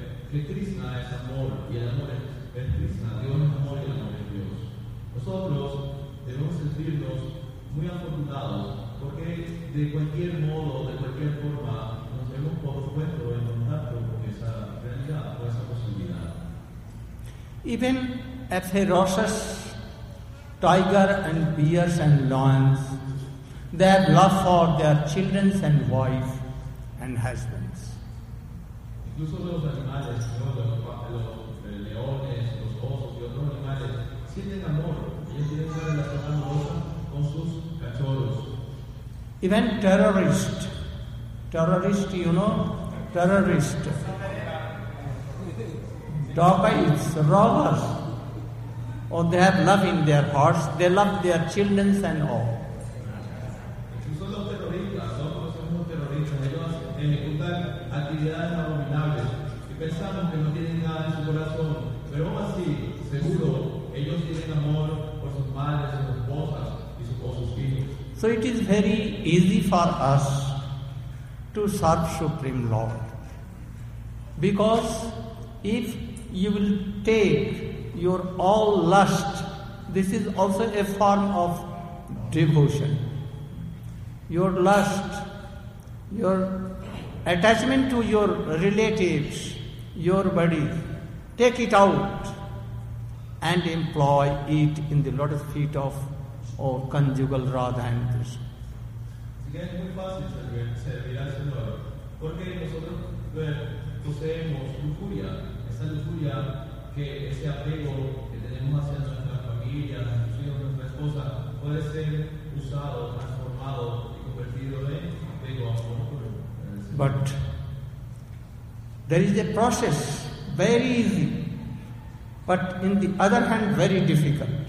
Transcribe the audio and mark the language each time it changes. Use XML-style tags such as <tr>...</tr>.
<es>Que Krishna es amor y el amor es Krishna, Dios es amor y el amor es Dios. Nosotros debemos sentirnos muy afortunados porque de cualquier modo, de cualquier forma, nos hemos puesto en contacto con esa realidad, con esa posibilidad.</es> <en>Even a ferocious tiger and bears and lions, they have love for their children and wife and husband.</en> <es>Incluso los animales, los leones, los osos y otros animales sienten amor. Ellos tienen una relación amorosa con sus cachorros.</es> <en>Even terrorist, you know, terrorist, dogs, robbers, or they have love in their hearts. They love their children and all.</en> <es>Incluso los terroristas, nosotros somos terroristas. Ellos ejecutan actividades abominables y pensamos que no tienen nada en su corazón, pero aún así, seguro, ellos tienen amor por sus madres, sus esposas y sus hijos.</es> <en>So it is very easy for us to serve Supreme Lord, because if you will take your all lust, this is also a form of devotion. Your lust, your attachment to your relatives, your body, take it out and employ it in the lotus feet of conjugal Radha and Krishna.</en> <es>Así que es muy fácil servir al Señor, porque nosotros poseemos lujuria, esa lujuria, que ese apego que tenemos hacia nuestra familia, nuestros hijos, nuestra esposa, puede ser usado, transformado y convertido en apego a amor.</es> <en>But there is a process, very easy, but in the other hand, very difficult.</en>